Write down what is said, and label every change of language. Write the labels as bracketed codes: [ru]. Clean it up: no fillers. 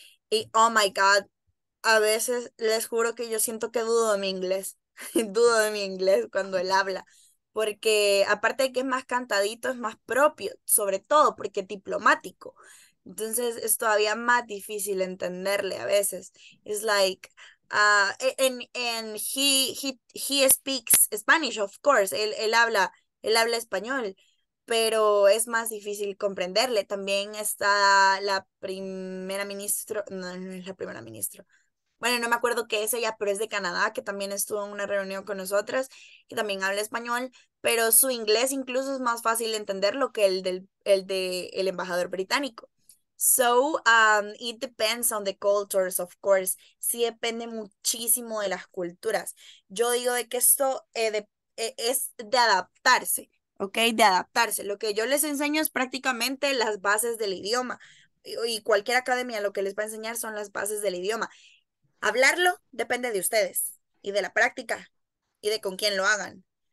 [es] Y [en] oh my God, [es] a veces les juro que yo siento que dudo de mi inglés, dudo de mi inglés cuando él habla. Porque aparte de que es más cantadito, es más propio, sobre todo porque es diplomático. Entonces es todavía más difícil entenderle a veces. [en] Es like, and he speaks Spanish, of course. [es] Él habla español, pero es más difícil comprenderle. También está la primera ministra, no, no es la primera ministra. Bueno, no me acuerdo qué es ella, pero es de Canadá, que también estuvo en una reunión con nosotras, que también habla español, pero su inglés incluso es más fácil entenderlo que el embajador británico. [en] So, it depends on the cultures, of course. [es] Sí, depende muchísimo de las culturas. Yo digo de que esto es de adaptarse, ¿ok? De adaptarse. Lo que yo les enseño es prácticamente las bases del idioma. Y cualquier academia lo que les va a enseñar son las bases del idioma. Hablarlo depende de ustedes y de la práctica y de con quién lo hagan.